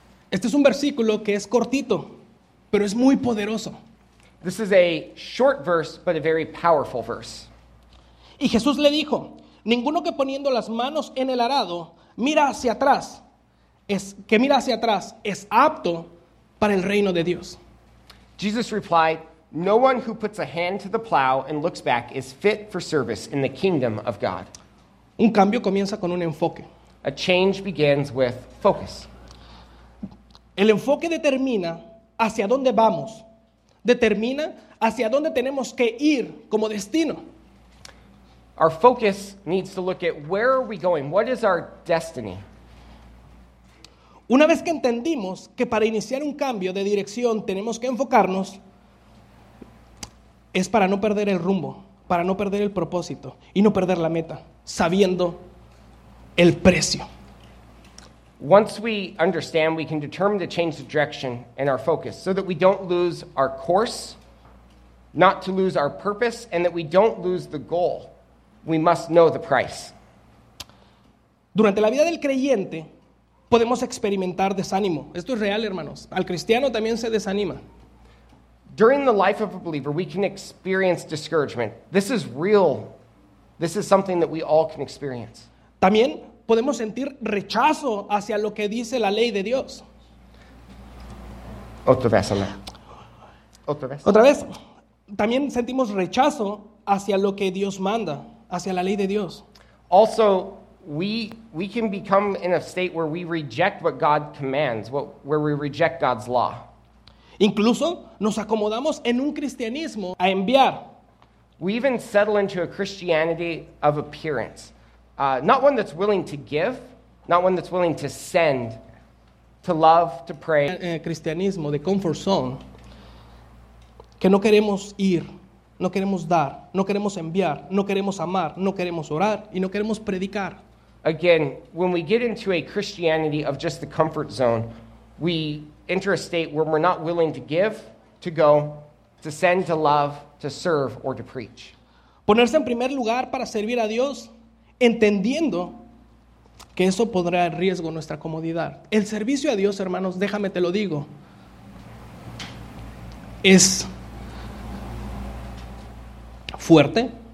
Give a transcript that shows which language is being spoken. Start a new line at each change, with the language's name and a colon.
Spanish: Este es un versículo que es cortito, pero es muy poderoso.
English: This is a short verse, but a very powerful verse.
Spanish: Y Jesús le dijo, ninguno que poniendo las manos en el arado mira hacia atrás es apto para el reino de Dios.
English: Jesus replied, no one who puts a hand to the plow and looks back is fit for service in the kingdom of God.
Spanish: Un cambio comienza con un enfoque.
English: A change begins with focus.
Spanish: El enfoque determina hacia dónde vamos. Determina hacia dónde tenemos que ir como destino.
English: Our focus needs to look at where are we going? What is our destiny?
Spanish: Una vez que entendimos que para iniciar un cambio de dirección tenemos que enfocarnos, es para no perder el rumbo, para no perder el propósito y no perder la meta, sabiendo el precio.
English: Once we understand, we can determine to change the direction and our focus so that we don't lose our course, not to lose our purpose, and that we don't lose the goal. We must know the price.
Spanish: Durante la vida del creyente, podemos experimentar desánimo. Esto es real, hermanos. Al cristiano también se desanima.
English: During the life of a believer, we can experience discouragement. This is real. This is something that we all can experience.
Spanish: También podemos sentir rechazo hacia lo que dice la ley de Dios. Otra vez. También sentimos rechazo hacia lo que Dios manda. Hacia la ley de Dios.
English: Also, we can become in a state where we reject what God commands, where we reject God's law.
Spanish: Incluso nos acomodamos en un cristianismo a enviar.
English: We even settle into a Christianity of appearance. Not one that's willing to give, not one that's willing to send, to love, to pray.
Spanish: Cristianismo de
English: comfort zone,
Spanish: que no queremos ir. No queremos dar, no queremos enviar, no queremos amar, no queremos orar y no queremos predicar.
English: Again, when we get into a Christianity of just the comfort zone, we enter a state where we're not willing to give, to go, to send, to love, to serve, or to preach.
Spanish: Ponerse en primer lugar para servir a Dios, entendiendo que eso pondrá en riesgo nuestra comodidad. El servicio a Dios, hermanos, déjame te lo digo, es fuerte.